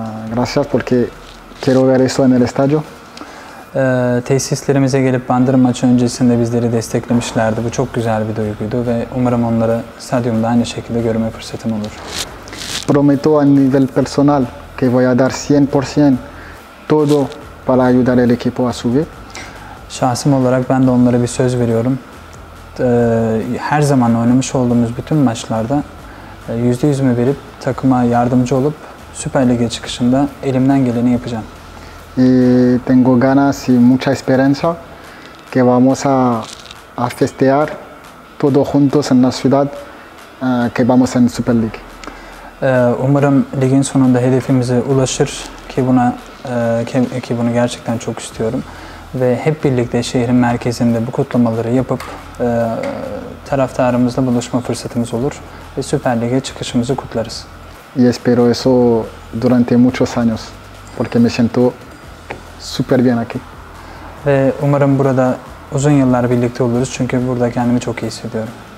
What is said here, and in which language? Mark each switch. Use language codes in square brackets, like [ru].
[es] Gracias porque quiero ver eso en el estadio. [tr] Tesislerimize gelip Bandırma maçı öncesinde bizleri desteklemişlerdi. Bu çok güzel bir duyguydu ve umarım onları stadyumda aynı şekilde görme fırsatım olur. [es] Prometo a nivel personal que voy a dar 100% todo para ayudar el equipo a subir. [tr] Şahsım olarak ben de onlara bir söz veriyorum. Her zaman oynamış olduğumuz bütün maçlarda %100'ümü verip takıma yardımcı olup Süper Lig'e çıkışında elimden geleni yapacağım. [es] Y tengo ganas y mucha esperanza que vamos a festejar todos juntos en la ciudad que vamos en Super Lig. [tr] Umarım ligin sonunda hedefimize ulaşır ki buna ki bunu gerçekten çok istiyorum ve hep birlikte şehrin merkezinde bu kutlamaları yapıp taraftarımızla buluşma fırsatımız olur ve Süper Lig'e çıkışımızı kutlarız. [es] Y espero eso durante muchos años porque me siento super bien aquí. [tr] Ve umarım burada uzun yıllar birlikte oluruz çünkü burada kendimi çok iyi hissediyorum.